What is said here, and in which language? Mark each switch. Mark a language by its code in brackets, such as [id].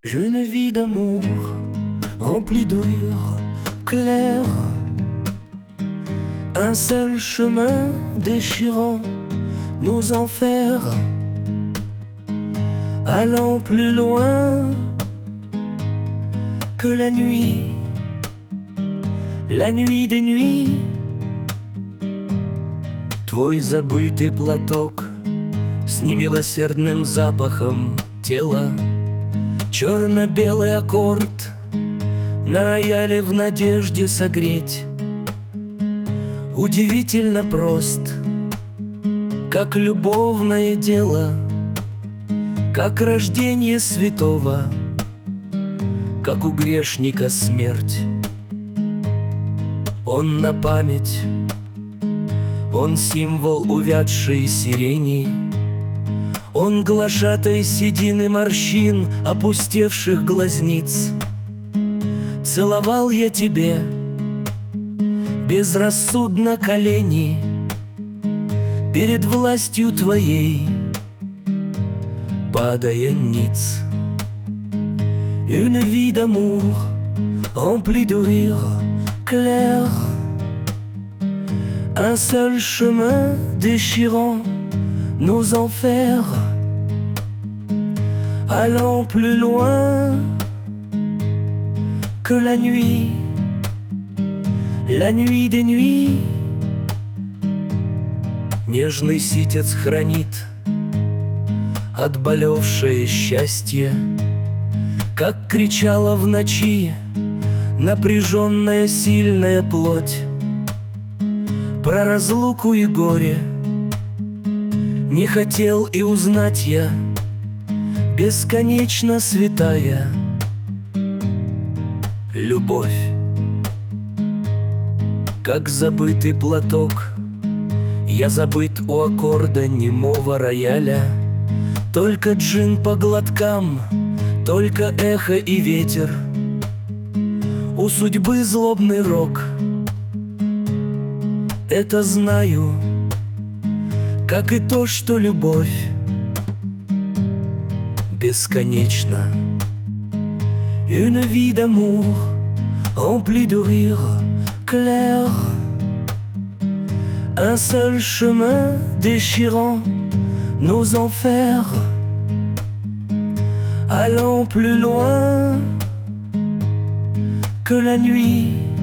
[fr] J'ai une vie d'amour remplie d'odeurs claires, un seul chemin déchirant nos enfers, allant plus loin que la nuit des nuits. [ru] Твой забытый платок с немилосердным запахом тела, черно-белый аккорд на рояле в надежде согреть. Удивительно прост, как любовное дело, как рождение святого, как у грешника смерть. Он на память, он символ увядшей сирени, он глашатай седины морщин, опустевших глазниц. Целовал я тебе безрассудно колени перед властью твоей, падая ниц. [fr] Une vie d'amour remplie de rire clair, un seul chemin déchirant nos enfers, allant plus loin que la nuit des nuits. [ru] Нежный ситец хранит отболевшее счастье, как кричала в ночи напряженная сильная плоть. Про разлуку и горе не хотел и узнать я, бесконечно святая любовь. Как забытый платок, я забыт у аккорда немого рояля. Только джин по глоткам, только эхо и ветер. У судьбы злобный рок, это знаю, как и то, что любовь бесконечна. [fr] Une vie d'amour remplie de rire clair, un seul chemin déchirant nos enfers, allant plus loin que la nuit.